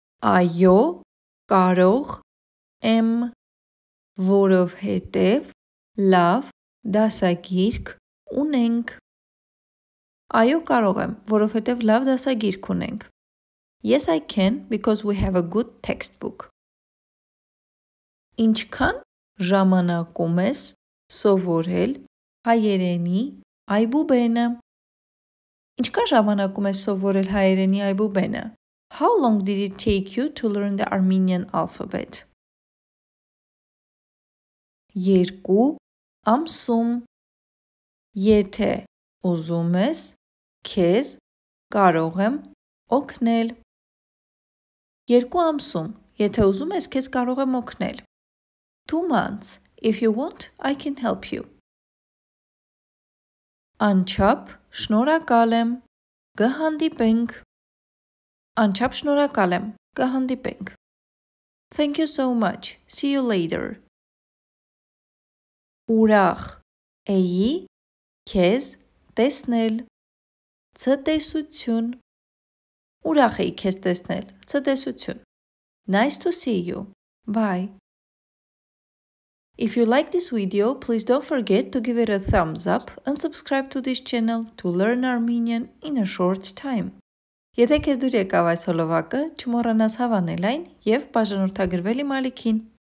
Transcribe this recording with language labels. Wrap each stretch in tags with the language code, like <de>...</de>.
<hy>Այո, կարող եմ, որովհետև լավ դասագիրք ունենք. Այո, կարող եմ, որովհետև լավ դասագիրք ունենք.</hy> <en>Yes, I can, because we have a good textbook.</en> <hy>Ինչքան ժամանակում ես սովորել հայերենի այբուբենը? Ինչքան ժամանակում ես սովորել հայերենի այբուբենը?</hy> <en>How long did it take you to learn the Armenian alphabet?</en> <hy>Երկու ամսում. Եթե ուզում ես, քեզ կարող եմ օգնել. Երկու ամսում. Եթե ուզում ես, քեզ կարող եմ օգնել.</hy> <en>2 months. If you want, I can help you.</en> <hy>Անչափ շնորհակալ եմ. Կհանդիպենք. Անչափ շնորհակալ եմ. Կհանդիպենք.</hy> <en>Thank you so much. See you later.</en> <hy>Ուրախ էի քեզ տեսնել. Ցտեսություն. Ուրախ էի քեզ տեսնել. Ցտեսություն.</hy> <en>Nice to see you. Bye. If you like this video, please don't forget to give it a thumbs up and subscribe to this channel to learn Armenian in a short time.</en> <hy>Եթե քեզ դուր եկավ այս հոլովակը, չմոռանաս հավանել այն և բաժանորդագրվել իմ ալիքին։</hy>